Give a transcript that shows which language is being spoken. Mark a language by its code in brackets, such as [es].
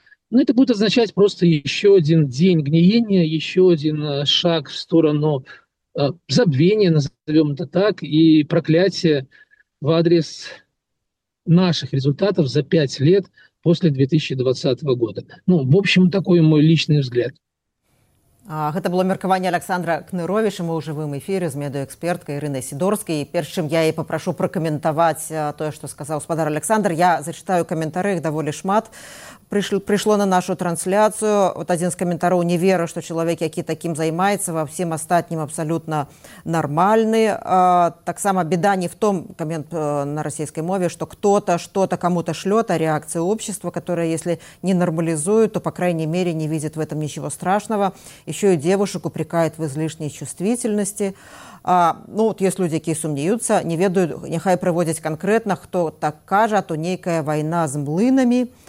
[ru] Ну, это будет означать просто еще один день гниения, еще один шаг в сторону забвения, назовем это так, и проклятия в адрес наших результатов за 5 лет после 2020 года. Ну, в общем, такой мой личный взгляд. [be] Гэта было меркаванне Александра Кныровіча, мы ў жывым эфіры з медыаэкспертка Ірынай Сідорскай. Перш чым я і папрашу пракаментаваць тое, што сказаў спадар Александр, я зачытаю каментары, іх даволі шмат. Прыйшло на нашу трансляцыю. Вот адзін з каментароў: не веру, што чалавек, які такім займаецца, ва ўсім астатнім абсалютна нармальны. [ru] Таксама беда не в том, [be] камент на расійскай мове, [ru] што кто-то што-то кому-то шлёт, а рэакцыя общества, которая, если не нормализует, то, по крайней мере, не видит в этом ничего страшного. Еще и девушек упрекает в излишней чувствительности. Ну, вот есть люди, которые сумняются, не ведают, нехай проводят конкретно, кто так кажет, а то некая война с млынами.